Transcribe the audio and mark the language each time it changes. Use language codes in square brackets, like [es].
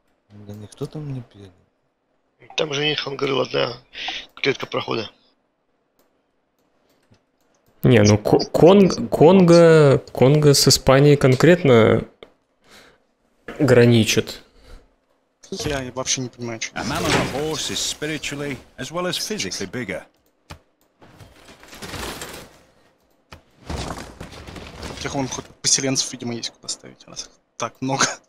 [ru] Да никто там не пилит. Там же у них, он говорил, одна клетка прохода. Не, ну Конго с Испанией конкретно граничит. Я вообще не понимаю, что... [en] Man on a horse is spiritually as well as physically bigger. [ru] У тех вон хоть поселенцев, видимо, есть куда ставить, у нас так много.